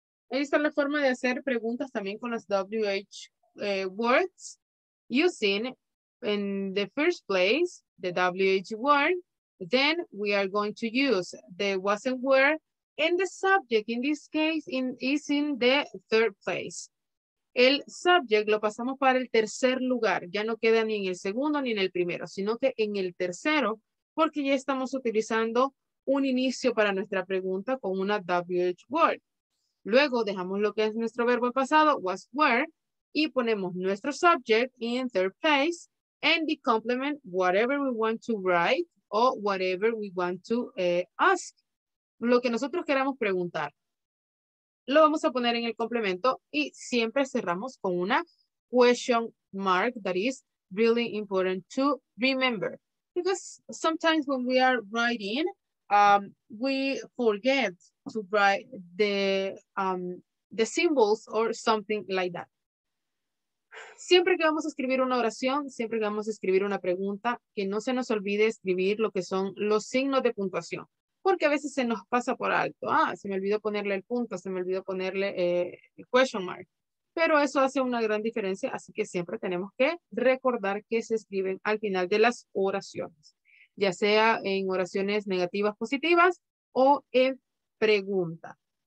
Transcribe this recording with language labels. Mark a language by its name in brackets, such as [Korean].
[Spanish] Ahí está la forma de hacer preguntas también con las WH words using. [English] In the first place, the WH word, then we are going to use the was and where, and the subject in this case is in the third place. [Spanish] El subject lo pasamos para el tercer lugar, ya no queda ni en el segundo ni en el primero, sino que en el tercero, porque ya estamos utilizando un inicio para nuestra pregunta con una WH word. Luego dejamos lo que es nuestro verbo al pasado, was, were, y ponemos nuestro subject [English] in third place. And the complement, whatever we want to write or whatever we want to ask. [Spanish] Lo que nosotros queramos preguntar, lo vamos a poner en el complemento y siempre cerramos con una question mark [English] that is really important to remember. Because sometimes when we are writing, we forget to write the symbols or something like that. [Spanish] Siempre que vamos a escribir una oración, siempre que vamos a escribir una pregunta, que no se nos olvide escribir lo que son los signos de puntuación, porque a veces se nos pasa por alto. Ah, se me olvidó ponerle el punto, se me olvidó ponerle el question mark. Pero eso hace una gran diferencia, así que siempre tenemos que recordar que se escriben al final de las oraciones, ya sea en oraciones negativas, positivas o en pregunta.